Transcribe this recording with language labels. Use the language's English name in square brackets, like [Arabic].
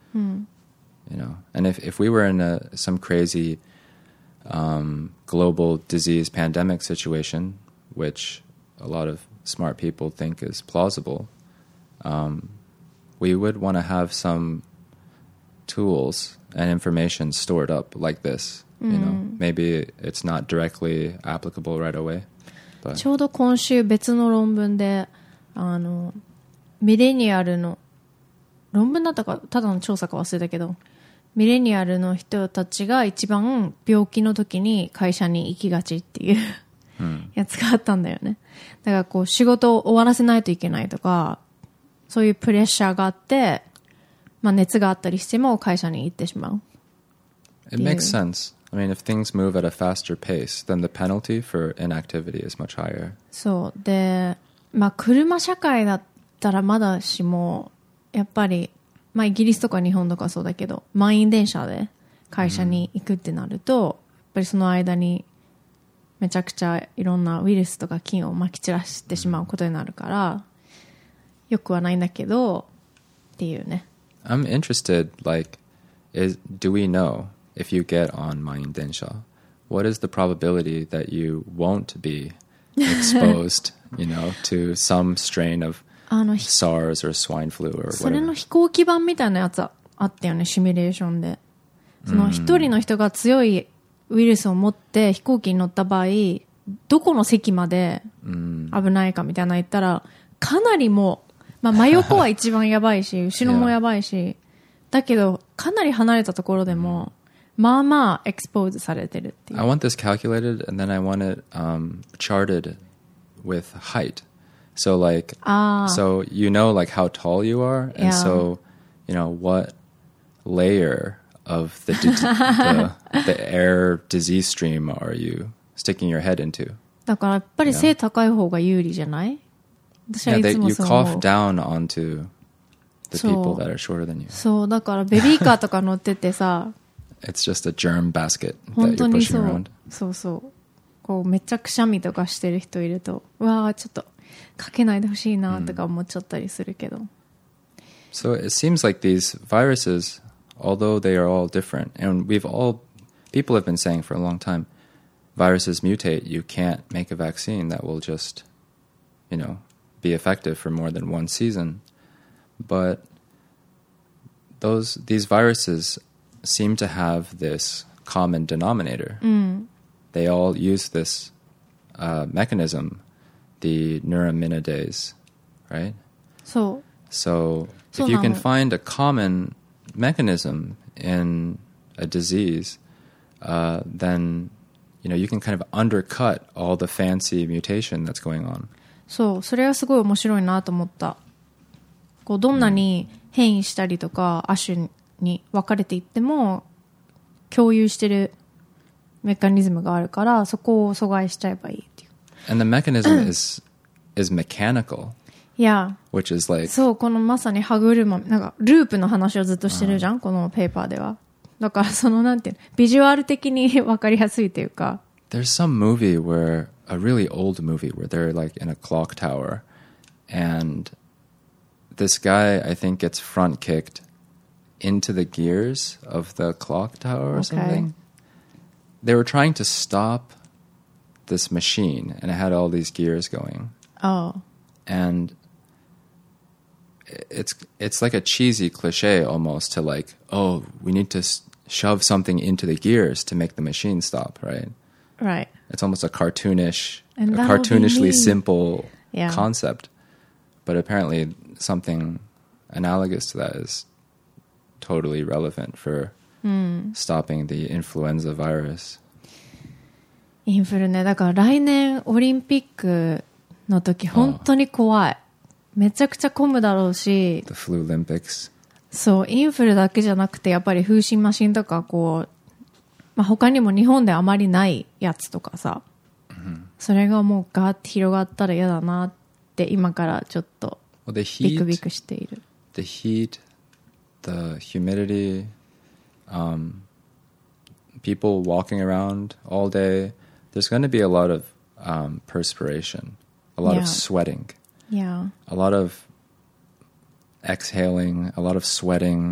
[English] You know, and if we were in some crazy global disease pandemic situation, which a lot of smart people think is plausible... we would want to have some tools and information stored up like this. You know, maybe it's not directly applicable right away. [Japanese] ちょうど今週別の論文で、あの、ミレニアルの論文だったかただの調査か忘れたけど、ミレニアルの人たちが一番病気の時に会社に行きがちっていうやつがあったんだよね。だからこう仕事を終わらせないといけないとか、そういうプレッシャーがあって、まあ熱があったりしても会社に行ってしまう。 [English] It makes sense. I mean, if things move at a faster pace, then the penalty for inactivity is much higher. [Japanese] そうで、まあ車社会だったらまだしも、やっぱりまあイギリスとか日本とかそうだけど、満員電車で会社に行くってなると、mm-hmm. やっぱりその間にめちゃくちゃいろんなウイルスとか菌をまき散らしてしまうことになるから、よくはないんだけどっていうね。 [English] I'm interested, like, is, do we know if you get on 満員電車? What is the probability that you won't be exposed, you know, to some strain of SARS or swine flu or whatever? [Japanese] それの飛行機版みたいなやつあったよね、シミュレーションで。その一人の人が強いウイルスを持って飛行機に乗った場合、どこの席まで危ないかみたいな言ったら、かなりもう、まあ、真横は一番やばいし後ろもやばいし、yeah. だけどかなり離れたところでもまあまあエクスポーズされてるっていう。 [English] I want this calculated and then I want it charted with height. So like, so you know like how tall you are and、 yeah. so you know what layer of the air disease stream are you sticking your head into? [Japanese] だからやっぱり背高い方が有利じゃない？ [English] Yeah, you cough down onto the people that are shorter than you. [Japanese] そうだからベビーカーとか乗っててさ、 [English] It's just a germ basket that you're pushing around. [Japanese] そうそう、こうめっちゃくしゃみとかしてる人いると、わあちょっとかけないでほしいなとか思っちゃったりするけど。 [English] So it seems like these viruses, although they are all different, and people have been saying for a long time, viruses mutate. You can't make a vaccine that will just, you know. Be effective for more than one season, but these viruses seem to have this common denominator. They all use this mechanism, the neuraminidase, right? So if you can find a common mechanism in a disease, then you know you can kind of undercut all the fancy mutation that's going on. [Japanese] そう、それはすごい面白いなと思った。こうどんなに変異したりとか亜種に分かれていっても共有してるメカニズムがあるから、そこを阻害しちゃえばいいっていう。 [English] And the mechanism is mechanical. Yeah. Which is like [Japanese] そう、このまさに歯車、なんかループの話をずっとしてるじゃん、このペーパーでは。だからそのなんていうの、ビジュアル的に分かりやすいというか。 [English] There's some movie whereA really old movie where they're like in a clock tower and this guy, I think, gets front kicked into the gears of the clock tower or something. They were trying to stop this machine and it had all these gears going. Oh. And it's like a cheesy cliche almost to like, oh, we need to shove something into the gears to make the machine stop, right? Right. It's almost a cartoonishly simple concept. But apparently something analogous to that is totally relevant for stopping the influenza virus. [Japanese] インフルね。だから来年オリンピックの時本当に怖い。めちゃくちゃ混むだろうし。 [English] The flu Olympics. [Japanese] そう、インフルだけじゃなくてやっぱり風疹マシンとかこう、まあ、他にも日本であまりないやつとかさ、それがもうガーッて広がったら嫌だなって今からちょっとビクビクしている。 [English] The heat, the humidity, people walking around all day. There's going to be a lot of perspiration, a lot of sweating, yeah, a lot of exhaling, a lot of sweating,